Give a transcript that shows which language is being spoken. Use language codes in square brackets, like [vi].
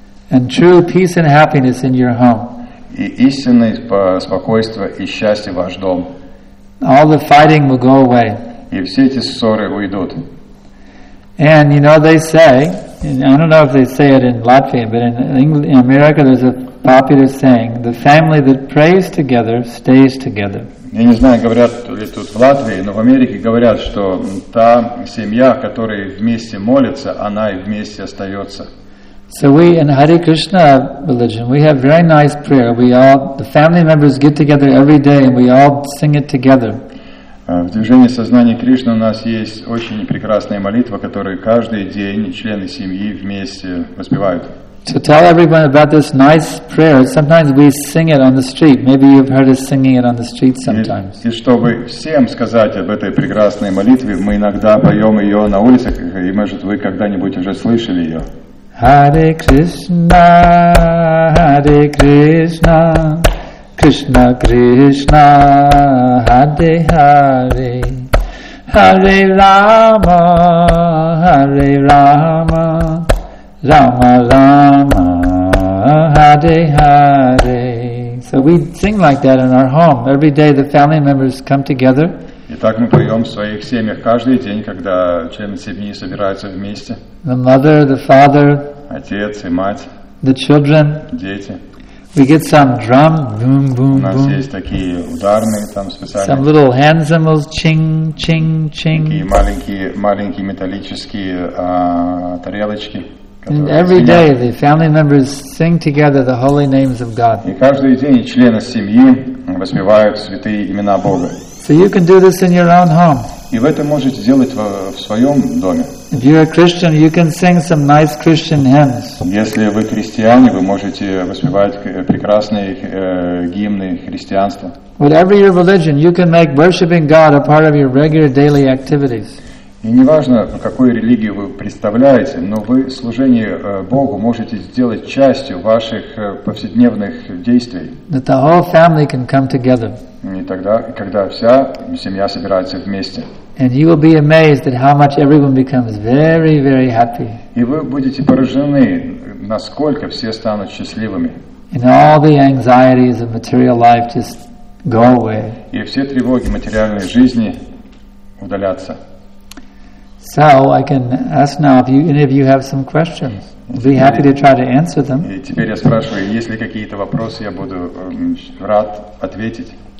[en] And true peace and happiness in your home. [ru] И истинное спокойствие и счастье в ваш дом. [en] All the fighting will go away. [ru] И все эти ссоры уйдут. [en] And you know they say, and I don't know if they say it in Latvia, but in America there's a popular saying: the family that prays together stays together. [ru] Я не знаю, говорят ли тут в Латвии, но в Америке говорят, что та семья, которая вместе молится, она и вместе остается. [en] So we in Hare Krishna religion, we have very nice prayer. We all the family members get together every day and we all sing it together. [ru] В движении сознания Кришны у нас есть очень прекрасная молитва, которую каждый день члены семьи вместе воспевают. [en] To tell everyone about this nice prayer, sometimes we sing it on the street. Maybe you've heard us singing it on the street sometimes. [ru] И чтобы всем сказать об этой прекрасной молитве, мы иногда поем ее на улицах, и может вы когда-нибудь уже слышали ее. [sa] Hare Krishna, Hare Krishna. Krishna Krishna Hare Hare Hare Rama, Hare Rama, Rama Rama, Hare Hare. [en] So we sing like that in our home. Every day the family members come together. [ru] И так мы поем в своих семьях каждый день, когда члены семьи собираются вместе. [en] The mother, the father, [ru] отец и мать, [en] the children, [ru] дети. [en] We get some drum, boom, boom, boom. [ru] У нас есть такие ударные там специальные. [en] Some little hand cymbals, ching, ching, ching. [ru] Такие маленькие металлические тарелочки. [en] And every day the family members sing together the holy names of God. [ru] И каждый день члены семьи воспевают святые имена Бога. [en] So you can do this in your own home. [ru] И вы это можете сделать в своем доме. [en] If you're a Christian, you can sing some nice Christian hymns. [ru] Если вы христиане, вы можете воспевать прекрасные гимны христианства. [en] Whatever your religion, you can make worshiping God a part of your regular daily activities. [ru] И неважно, какую религию вы представляете, но вы служение Богу можете сделать частью ваших повседневных действий. [en] That the whole family can come together. [ru] И тогда, когда вся семья собирается вместе. [en] And you will be amazed at how much everyone becomes very, very happy. [ru] И вы будете поражены, насколько все станут счастливыми. [en] And all the anxieties of material life just go away. [ru] И все тревоги материальной жизни удалятся. [en] So I can ask now if any of you have some questions. I'll be happy to try to answer them. [ru] И теперь я спрашиваю, есть ли какие-то вопросы, я буду рад ответить.